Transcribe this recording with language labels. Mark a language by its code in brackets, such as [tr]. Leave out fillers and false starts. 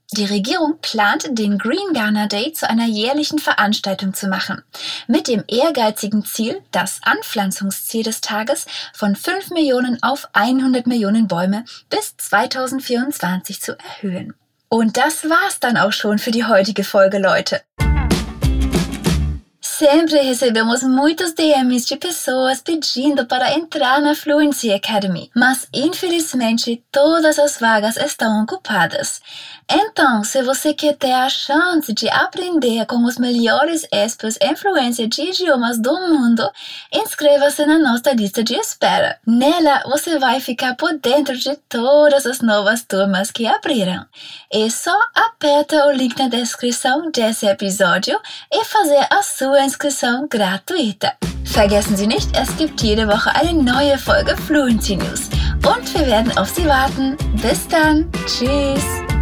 [de] Die Regierung plant, den Green Ghana Day zu einer jährlichen Veranstaltung zu machen, mit dem ehrgeizigen Ziel, das Anpflanzungsziel des Tages von 5 Millionen auf 100 Millionen Bäume bis 2024 zu erhöhen. Und das war's dann auch schon für die heutige Folge, Leute. [pt] Sempre recebemos muitos DMs de pessoas pedindo para entrar na Fluency Academy, mas infelizmente todas as vagas estão ocupadas. Então, se você quer ter a chance de aprender com os melhores experts em fluência de idiomas do mundo, inscreva-se na nossa lista de espera. Nela, você vai ficar por dentro de todas as novas turmas que abriram. É só aperta o link na descrição desse episódio e fazer a sua inscrição gratuita. [de] Vergessen Sie nicht, es gibt jede Woche eine neue Folge Fluency News. Und wir werden auf Sie warten. Bis dann. Tschüss.